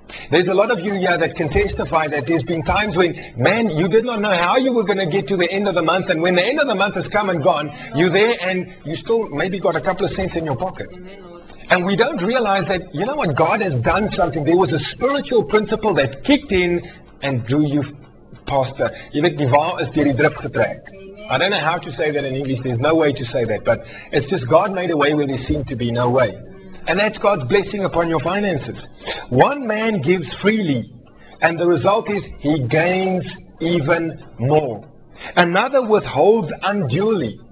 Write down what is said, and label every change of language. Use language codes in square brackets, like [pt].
[en] There's a lot of you here that can testify that there's been times when, man, you did not know how you were going to get to the end of the month. And when the end of the month has come and gone, you're there and you still maybe got a couple of cents in your pocket. And we don't realize that, you know what, God has done something. There was a spiritual principle that kicked in and drew you past the... You know, [af] die waar is deur die drif getrek. [en] I don't know how to say that in English. There's no way to say that. But it's just God made a way where there seemed to be no way. And that's God's blessing upon your finances. One man gives freely, and the result is he gains even more. Another withholds unduly,